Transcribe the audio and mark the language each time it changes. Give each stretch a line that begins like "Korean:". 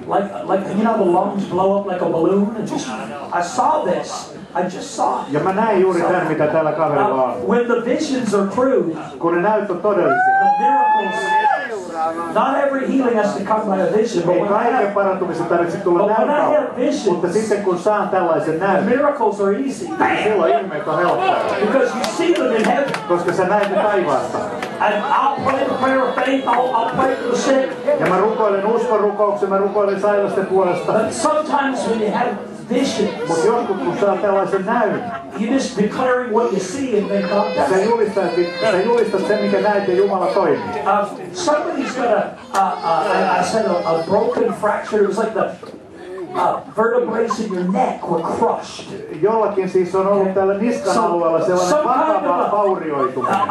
English: Like you know, the lungs blow up like a balloon. And just, I saw this. I just saw.
Finnish: Ja mä näin juuri tämän, mitä tällä kaverilla on.
English: When the visions are true,
Finnish: kun ne näyt on todellisia,
English: the miracles. Not every healing has to come by a vision, but when I have
Finnish: parantumisen tarvitsee tulla näyttää. Mutta sitten kun saan tällaisen näyn,
English: miracles are easy. Bam!
Finnish: Silloin ihmeet on helppoa.
English: Because you see them in heaven.
Finnish: Koska sä näet ne taivaasta.
English: And I'll pray the prayer of faith. I'll pray for the sick.
Finnish: Ja mä rukoilen uskon rukouksen, mä rukoilen sairasten puolesta.
English: But sometimes when you have visions.
Finnish: Mutta joskus kun saa tällaisen näyn.
English: You're just declaring what you see and then God does.
Finnish: Sä julistat sen, mikä näet, ja Jumala toimii.
English: Somebody's got a broken fracture. It was like the vertebrae in your neck were crushed.
Finnish: Jollakin siis on ollut tällä niskan alueella sellainen vakava vaurioituminen.